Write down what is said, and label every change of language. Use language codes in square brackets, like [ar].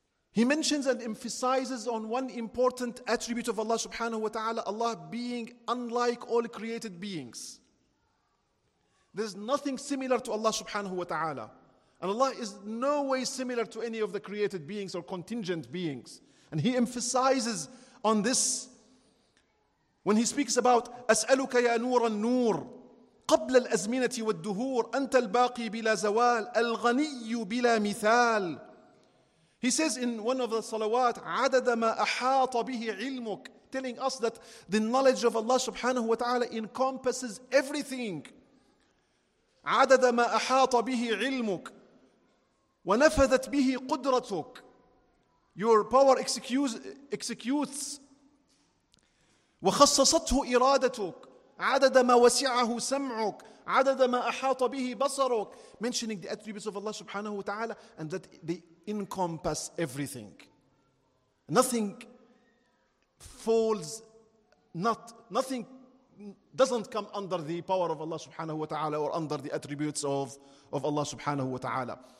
[en] He mentions and emphasizes on one important attribute of Allah subhanahu wa ta'ala, Allah being unlike all created beings. There's nothing similar to Allah subhanahu wa ta'ala. And Allah is no way similar to any of the created beings or contingent beings. And he emphasizes on this when he speaks about [ar] أسألك يا نور النور قبل الأزمنة والدهور أنت الباقي بلا زوال الغني بلا مثال. [en] He says in one of the salawat, [ar] عدد ما أحاط به علمك, [en] telling us that the knowledge of Allah subhanahu wa ta'ala encompasses everything. [ar] عدد ما أحاط به علمك ونفذت به قدرتك. [en] Your power executes [ar] وخصصته إرادتك. عدد ما وسعه سمعك عدد ما أحاط به بصرك. [en] Mentioning the attributes of Allah subhanahu wa ta'ala and that they encompass everything. Nothing doesn't come under the power of Allah subhanahu wa ta'ala or under the attributes of Allah subhanahu wa ta'ala.